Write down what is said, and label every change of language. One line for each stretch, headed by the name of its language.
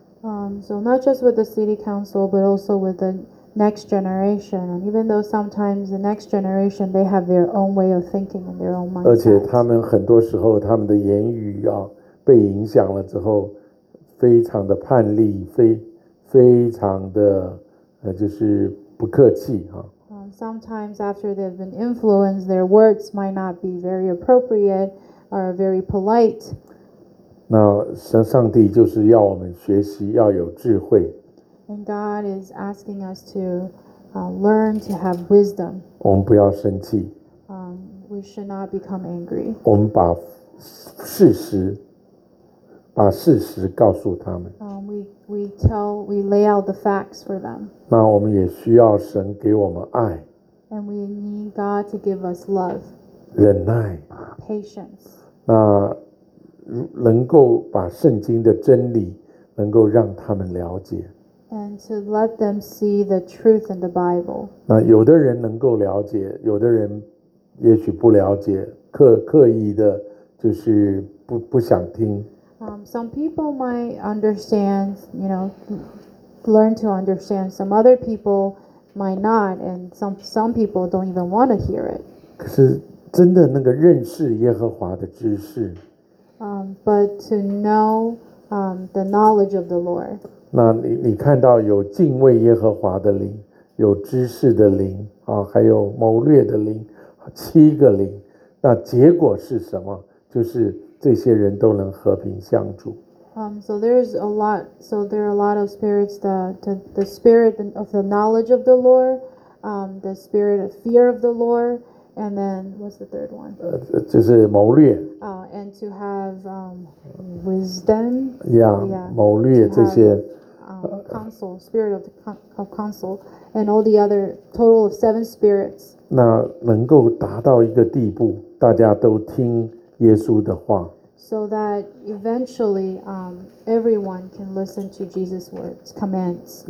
English: So not just with the city council, but also with the next generation. And even though sometimes the next generation, they have their own way of thinking and their own mindset.
Chinese: 而且他们很多时候他们的言语被影响了之后非常的叛逆，非常的就是不客气
English: Sometimes after they've been influenced, their words might not be very appropriate or very polite.
Chinese: 那上帝就是要我们学习要有智慧。
English: And God is asking us to learn to have wisdom.
Chinese: 我们不要生气。
English: We should not become angry.
Chinese: 我们把事实。把事实告诉他们。
English: We lay out the facts for them.
Chinese: 那我们也需要神给我们爱。
English: And we need God to give us love.
Chinese: 忍耐。
English: Patience.
Chinese: 那能够把圣经的真理能够让他们了解。
English: And to let them see the truth in the Bible.
Chinese: 那有的人能够了解，有的人也许不了解，刻意的就是不想听。
English: Some people might understand, you know, learn to understand. Some other people might not, and some people don't even want to hear it.
Chinese: 可是真的那个认识耶和华的知识。
English: But to know the knowledge of the Lord.
Chinese: 那你看到有敬畏耶和华的灵，有知识的灵还有谋略的灵，七个灵，那结果是什么？就是。这些人都能和平相处。
English: So there are a lot of spirits. The spirit of the knowledge of the Lord, the spirit of fear of the Lord, and then what's the third one?
Chinese: 就是谋略。
English: And to have wisdom.
Chinese: Yeah, 谋略这些。
English: Counsel, spirit of counsel, and all the other total of seven spirits.
Chinese: 那能够达到一个地步，大家都听。耶稣的话
English: so that eventually everyone can listen to Jesus' words, commands.